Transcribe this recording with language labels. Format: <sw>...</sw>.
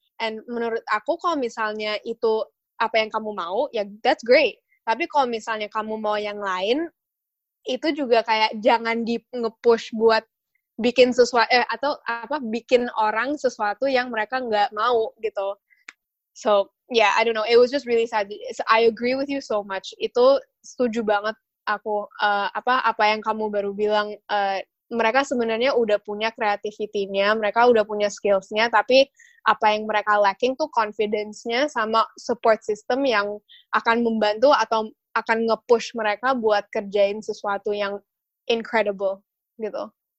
<id>And menurut aku kalau misalnya itu apa yang kamu mau ya</id> <en>that's great,</en> <id>tapi kalau misalnya kamu mau yang lain itu juga kayak jangan di nge-push buat bikin sesuatu atau apa bikin orang sesuatu yang mereka nggak mau gitu.</id> <en>So yeah, I don't know, it was just really sad. I agree with you so much,</en> <id>itu setuju banget aku apa yang kamu baru bilang mereka sebenarnya udah punya creativity-nya, mereka udah punya skills-nya, tapi apa yang mereka lacking tuh confidence-nya sama support system yang akan membantu atau akan nge-push mereka buat kerjain sesuatu yang incredible, gitu.</id>